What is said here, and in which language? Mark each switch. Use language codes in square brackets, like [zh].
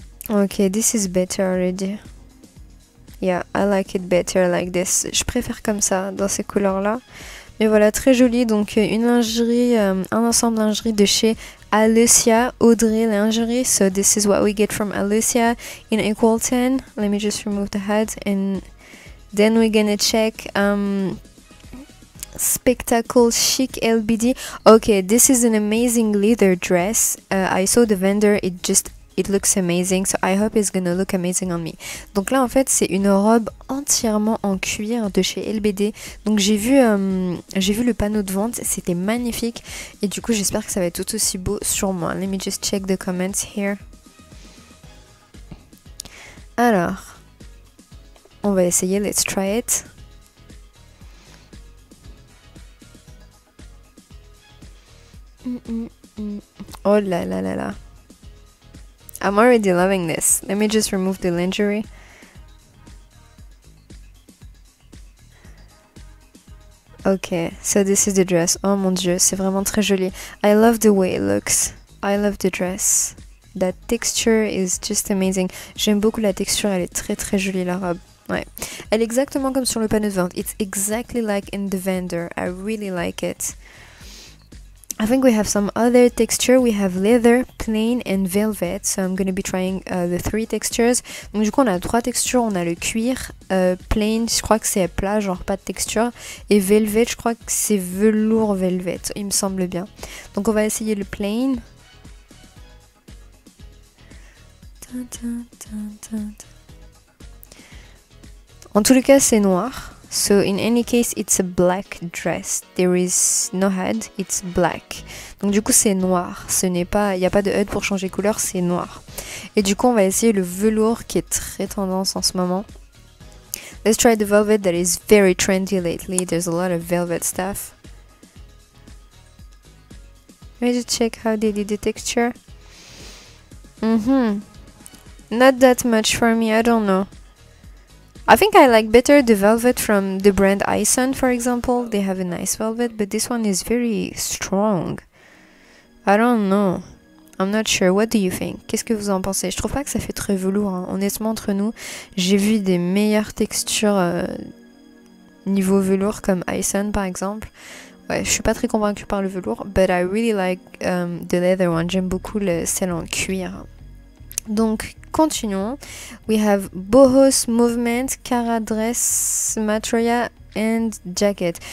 [en] Okay, this is better already. Yeah, I like it better like this. [fr] Je préfère comme ça, dans ces couleurs-là. Mais voilà, très joli. Donc, une lingerie, un ensemble lingerie de chez Alucia Audrey Lingerie. [en] So this is what we get from Alucia in Equal10. Let me just remove the HUD and then we're gonna check Spectacle Chic LBD. Okay, this is an amazing leather dress. I saw the vendor, it looks amazing, so I hope it's gonna look amazing on me. [fr] Donc là en fait c'est une robe entièrement en cuir de chez LBD. Donc j'ai vu le panneau de vente, c'était magnifique. Et du coup j'espère que ça va être tout aussi beau sur moi. [en] Let me just check the comments here. [fr] Alors, on va essayer, [en] let's try it. [fr] Oh là là là là. [en] I'm already loving this. Let me just remove the lingerie. Okay, so this is the dress. [fr] Oh mon dieu, c'est vraiment très joli. [en] I love the way it looks. I love the dress. That texture is just amazing. [fr] J'aime beaucoup la texture, elle est très très jolie la robe. Ouais. Elle est exactement comme sur le panneau de vente. [en] It's exactly like in the vendor. I really like it. I think we have some other texture. We have leather, plain and velvet. So I'm going to be trying the three textures. [fr] Donc du coup, on a trois textures. On a le cuir, plain, je crois que c'est plat, genre pas de texture. Et velvet, je crois que c'est velours velvet, il me semble bien. Donc on va essayer le plain. En tout cas, c'est noir. [en] So in any case, it's a black dress. There is no HUD, it's black. [fr] Donc du coup, c'est noir. Ce n'est pas, il y a pas de HUD pour changer couleur, c'est noir. Et du coup, on va essayer le velours qui est très tendance en ce moment. [en] Let's try the velvet that is very trendy lately. There's a lot of velvet stuff. Let's check how they did the texture. Not that much for me, I don't know. I think I like better the velvet from the brand Ison, for example. They have a nice velvet, but this one is very strong. I don't know. I'm not sure. What do you think? [fr] Qu'est-ce que vous en pensez? Je trouve pas que ça fait très velours. Hein. Honnêtement, entre nous, j'ai vu des meilleures textures niveau velours, comme Ison, par exemple. Ouais, je suis pas très convaincue par le velours, [en] but I really like the leather one. [fr] J'aime beaucoup celle en cuir. Donc, continuons. [en] We have Boho's Movement, Cara Dress, Matria, and jacket.